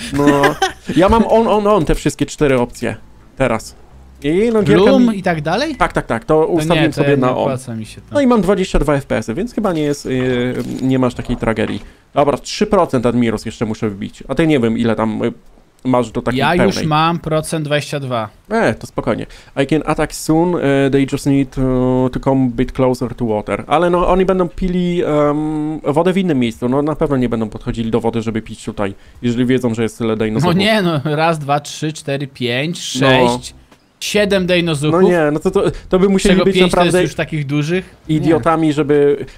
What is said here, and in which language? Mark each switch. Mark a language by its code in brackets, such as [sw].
[pl] No, ja mam on, te wszystkie cztery opcje, teraz. I no, Bloom i tak dalej? Tak, to ustawiłem no sobie ja na on. Mi się no i mam 22 FPS-y, więc chyba nie jest, nie masz takiej tragedii. Dobra, 3% Admiros jeszcze muszę wbić, a ty nie wiem, ile tam masz do takiej ja pełnej. Ja już mam procent 22. To spokojnie. [en] I can attack soon, they just need to come a bit closer to water. [pl] Ale no, oni będą pili wodę w innym miejscu, no na pewno nie będą podchodzili do wody, żeby pić tutaj, jeżeli wiedzą, że jest tyle dinozuchów. No nie, no raz, dwa, trzy, cztery, pięć, sześć, no. Siedem dinozuchów. No nie, no to by musieli być naprawdę... To jest już takich dużych? Idiotami, nie. Żeby...